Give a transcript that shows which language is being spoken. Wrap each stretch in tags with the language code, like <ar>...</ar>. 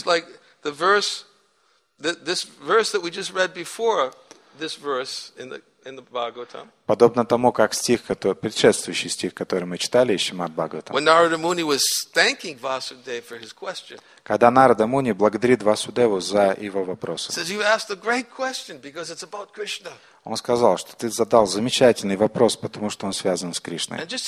<en>Just like the verse, this verse that we just read before, this verse in the Bhagavatam.</en> <ru>Подобно тому, как стих, предшествующий стих, который мы читали из Шримад Бхагаватам.</ru> <en>When Narada Muni was thanking Vasudeva for his question.</en> <ru>Когда Нарада Муни благодарит Васудеву за его вопросы.</ru> <en>Says you asked a great question because it's about Krishna.</en> <ru>Он сказал, что ты задал замечательный вопрос, потому что он связан с Кришной.</ru>